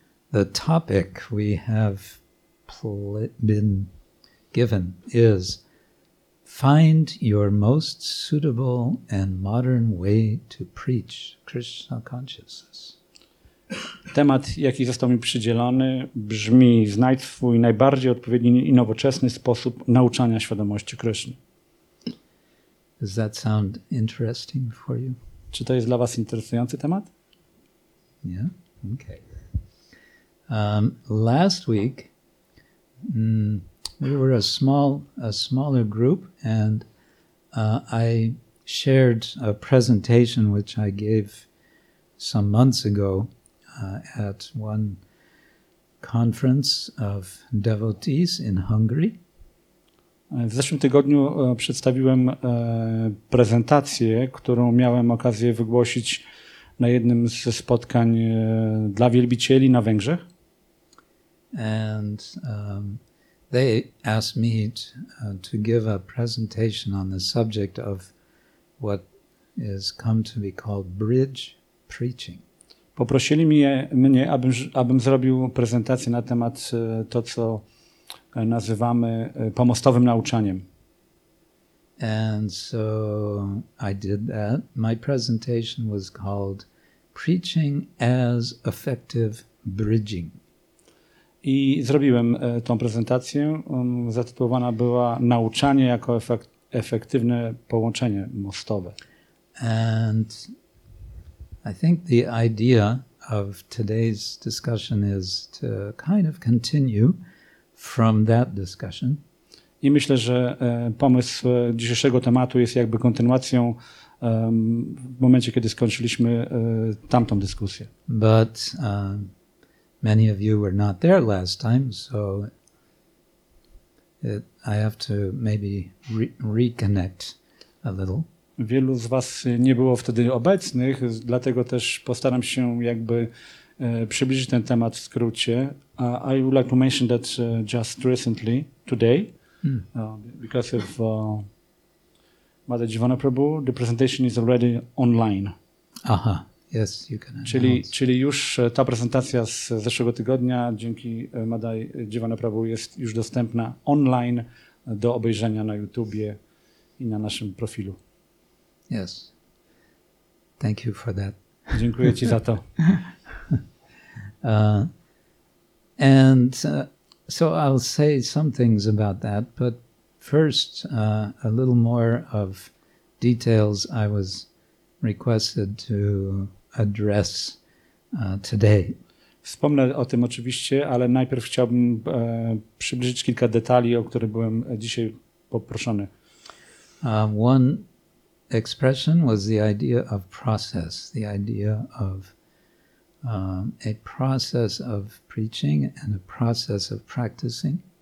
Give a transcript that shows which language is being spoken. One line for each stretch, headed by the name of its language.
English: The topic we have been given is find your most suitable and modern way to preach Krishna consciousness.
Polish: Temat, jaki został mi przydzielony, brzmi: znajdź swój najbardziej odpowiedni i nowoczesny sposób nauczania świadomości Kryszny.
English: Does that sound interesting for you?
Polish: Czy to jest dla was interesujący temat?
English: Yeah? Okay. Last week we were a smaller group, and I shared a presentation which I gave some months ago at one conference of devotees in Hungary.
Polish: W zeszłym tygodniu przedstawiłem prezentację, którą miałem okazję wygłosić na jednym ze spotkań dla wielbicieli na Węgrzech.
English: And they asked me to give a presentation on the subject of what is come to be called bridge preaching.
Polish: Poprosili mnie, abym zrobił prezentację na temat to, co nazywamy pomostowym nauczaniem.
English: And so I did that. My presentation was called Preaching as Effective Bridging.
Polish: I zrobiłem tą prezentację. Zatytułowana była Nauczanie jako efektywne połączenie mostowe.
English: And I think the idea of today's discussion is to kind of continue from that discussion.
Polish: I myślę, że pomysł dzisiejszego tematu jest jakby kontynuacją w momencie, kiedy skończyliśmy tamtą dyskusję.
English: But many of you were not there last time, so I have to maybe reconnect a little.
Polish: Wielu z was nie było wtedy obecnych, dlatego też postaram się jakby przybliżyć ten temat w skrócie.
English: I would like to mention that just recently, today, because of Mother Jivana Prabhu, the presentation is already online. Aha, yes, you can announce.
Polish: Czyli już ta prezentacja z zeszłego tygodnia dzięki Mother Jivana Prabhu jest już dostępna online do obejrzenia na YouTubie i na naszym profilu.
English: Yes. Thank you for that.
Polish: Dziękuję ci za to.
English: So I'll say some things about that, but first a little more of details I was requested to address today.
Polish: Wspomnę o tym oczywiście, ale najpierw chciałbym przybliżyć kilka detali, o które byłem dzisiaj poproszony.
English: One expression was the idea of process, the idea of a process of preaching and a process of practicing.